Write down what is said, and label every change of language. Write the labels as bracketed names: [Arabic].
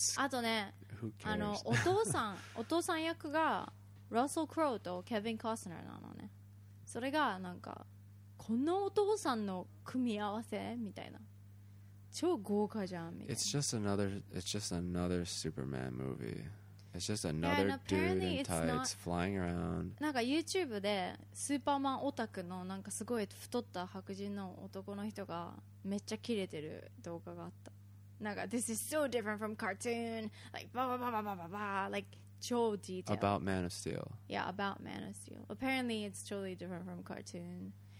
[Japanese] あとね、あのお父さん役がラッセル・クロウとケビン・コスナーなのね。それがなんかこのお父さんの組み合わせみたいな。超豪華じゃんみたいな。 [English] It's just another Superman movie. It's just another dude in tights flying around. [Japanese] なんか YouTube でスーパーマンオタクのなんかすごい太った白人の男の人がめっちゃキレてる動画があった。なんか [English] This is so different from cartoon. Like blah blah blah blah blah blah. Like [Japanese] 超 [English] detail. About Man of Steel. Yeah, about Man of Steel. Apparently, it's totally different from cartoon.